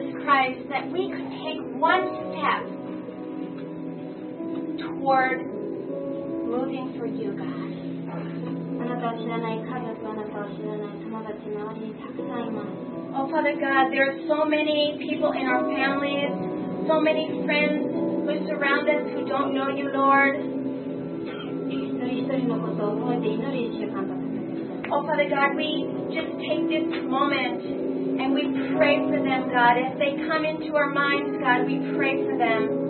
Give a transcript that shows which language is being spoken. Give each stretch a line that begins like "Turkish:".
English: surprised that we could take one step toward moving for you, God.
Japanese: あなたを知らない家族、あなたを知らない友達、周りにたくさんいます。
English: Oh, Father God, there are so many people in our families, so many friends who surround us who don't know you, Lord.
Japanese: 一人一人のことを覚えて祈る一週間だ。
English: Oh, Father God, we just take this moment and we pray for them, God. If they come into our minds, God, we pray for them.